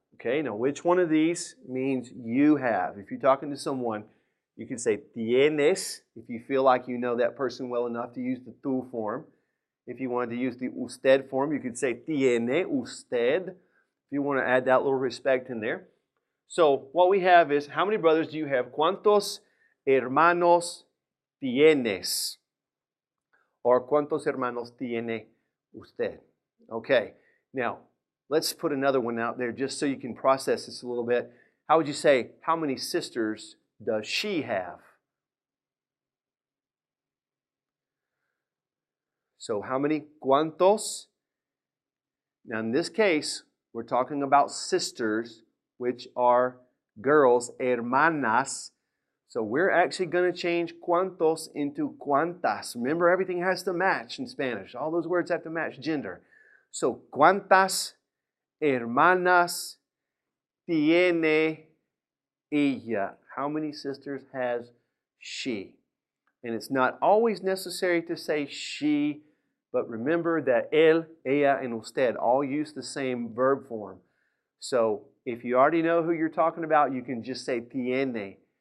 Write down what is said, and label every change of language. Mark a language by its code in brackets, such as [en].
[en] Okay, now which one of these means you have? If you're talking to someone, you can say tienes, if you feel like you know that person well enough to use the tú form. If you wanted to use the usted form, you could say tiene usted, if you want to add that little respect in there. So what we have is, how many brothers do you have? [es] ¿Cuántos hermanos tienes? Or ¿cuántos hermanos tiene usted? [en] Okay, now let's put another one out there just so you can process this a little bit. How would you say, how many sisters does she have? So how many? ¿Cuántos? Now in this case, we're talking about sisters, which are girls, hermanas. So we're actually going to change cuántos into cuántas. Remember, everything has to match in Spanish. All those words have to match gender. [es] So cuántas hermanas tiene ella? [en] How many sisters has she? And it's not always necessary to say she, but remember that él, ella, and usted all use the same verb form. So if you already know who you're talking about, you can just say tiene.